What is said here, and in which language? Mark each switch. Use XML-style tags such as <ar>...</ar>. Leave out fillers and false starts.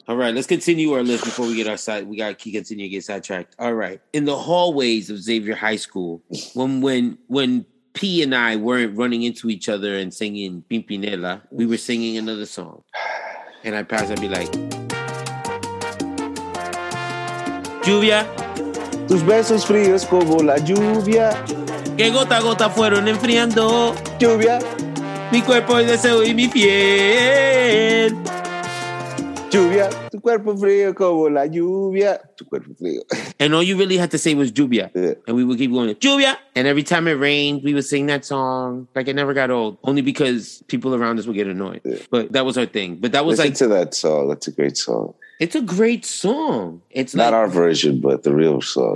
<en>All right, let's continue our list before we get our side. We got to continue to get sidetracked. All right. In the hallways of Xavier High School, when P and I weren't running into each other and singing Pimpinela, we were singing another song. And I'd pass, I'd be like, lluvia.</en> <es>Tus besos fríos como la lluvia. Que gota a gota fueron enfriando. Lluvia. Mi cuerpo es deseo y mi piel. Lluvia. Tu cuerpo frío como la lluvia. Tu cuerpo frío.</es> <en>And all you really had to say was lluvia. Yeah. And we would keep going, lluvia. And every time it rained, we would sing that song. Like it never got old. Only because people around us would get annoyed. Yeah. But that was our thing. But that was listen to that song. That's a great song. It's a great song. It's not our version, but the real song.</en>